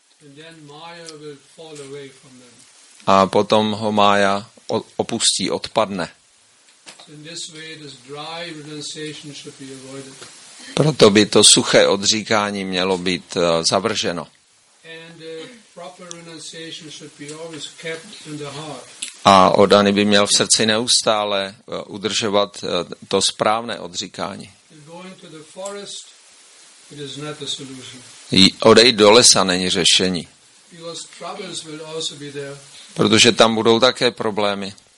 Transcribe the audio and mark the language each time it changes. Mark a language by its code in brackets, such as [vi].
[en] And then Maya will fall away from them. [cs] A potom ho Maya opustí, odpadne. [en] In this way, this dry renunciation should be avoided. [cs] Proto by to suché odříkání mělo být zavrženo. [en] And the proper renunciation should be always kept in the heart. [cs] A oddaný by měl v srdci neustále udržovat to správné odříkání. [en] Going to the forest, it is not a solution. [cs] Odejít do lesa není řešení. [en] Because troubles will also be there. [cs] Protože tam budou také problémy.